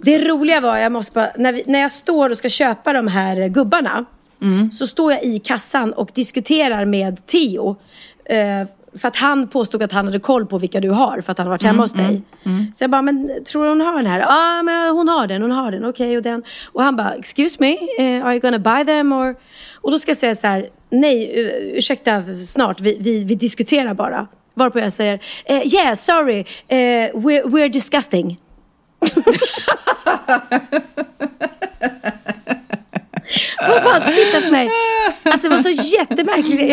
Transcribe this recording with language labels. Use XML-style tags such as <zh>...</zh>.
<sv>Det roliga var jag måste bara, när jag står och ska köpa de här gubbarna så står jag i kassan och diskuterar med Theo. För att han påstod att han hade koll på vilka du har för att han har varit hemma hos dig. Så jag bara, men tror hon har den här? Ja, men hon har den. Okej, och den. Och han bara,</sv> <en>excuse me, are you gonna buy them? Or...</en> <sv>Och då ska jag säga så här, nej, ursäkta snart, vi diskuterar bara. Varpå jag säger,</sv> <en>yeah, sorry, we're disgusting.</en> <sv>Han bara tittat på mig. Alltså det var så jättemärkligt.</sv>